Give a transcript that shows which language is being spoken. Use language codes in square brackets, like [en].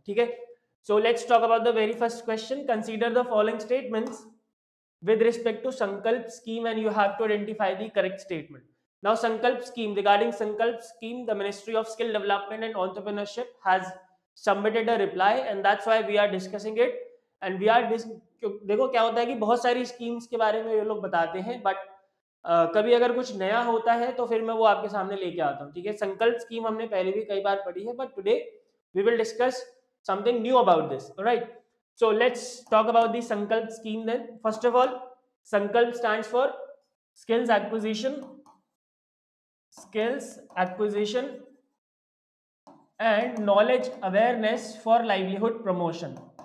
[hi] Theek hai, [en] so let's talk about the very first question. Consider the following statements with respect to Sankalp scheme and you have to identify the correct statement. Now Sankalp scheme, regarding Sankalp scheme, the Ministry of Skill Development and Entrepreneurship has submitted a reply, and that's why we are discussing it. And we are [hi] देखो क्या होता है कि बहुत सारी schemes के बारे में ये लोग बताते हैं, but कभी अगर कुछ नया होता है तो फिर मैं वो आपके सामने लेके आता हूँ. ठीक है, Sankalp scheme हमने पहले भी कई बार पढ़ी है, [en] but today we will discuss something new about this. Alright, so let's talk about the Sankalp scheme then. First of all, Sankalp stands for skills acquisition and knowledge awareness for livelihood promotion.